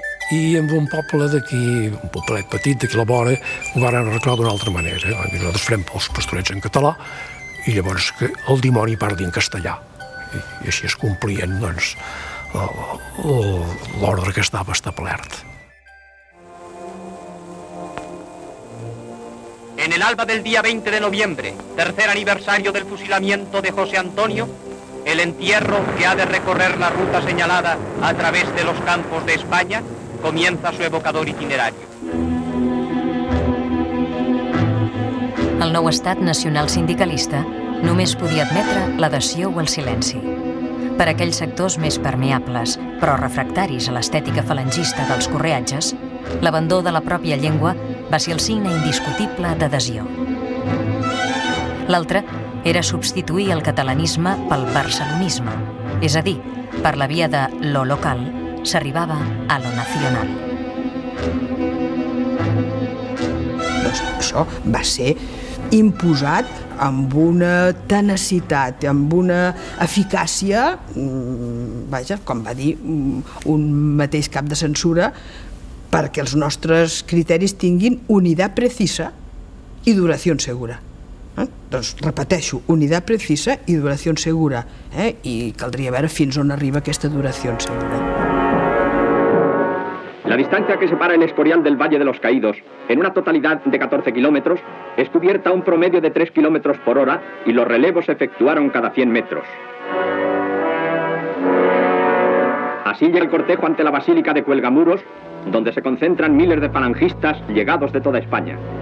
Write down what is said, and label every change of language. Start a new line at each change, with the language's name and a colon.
Catalan: I amb un poble d'aquí, un poblet petit d'aquí la vora, ho van arreglar d'una altra manera. Nosaltres farem els pastorets en català i llavors que el dimoni parli en castellà. I així es complien, doncs, l'ordre que estava establert.
Spanish: En el alba del día 20 de noviembre, tercer aniversario del fusilamiento de José Antonio, el entierro que ha de recorrer la ruta señalada a través de los campos de España comienza su evocador itinerario.
Catalan: El nou estat nacional sindicalista només podia admetre l'adhesió o el silenci. Per aquells sectors més permeables, però refractaris a l'estètica falangista dels correatges, l'abandó de la pròpia llengua va ser el signe indiscutible d'adhesió. L'altre era substituir el catalanisme pel barcelonisme, és a dir, per la via de lo local s'arribava a lo nacional. Doncs això va ser imposat amb una tenacitat, amb una eficàcia, vaja, com va dir un mateix cap de censura, perquè els nostres criteris tinguin unitat precisa i duració segura. Doncs repeteixo, unitat precisa i duració segura. I caldria veure fins on arriba aquesta duració segura.
Spanish: La distància que separa el Escorial del Valle de los Caídos, en una totalidad de 14 kilómetros, es cubierta a un promedio de 3 kilómetros por hora y los relevos se efectuaron cada 100 metros. Así llega el cortejo ante la Basílica de Cuelgamuros, donde se concentran miles de falangistas llegados de toda España.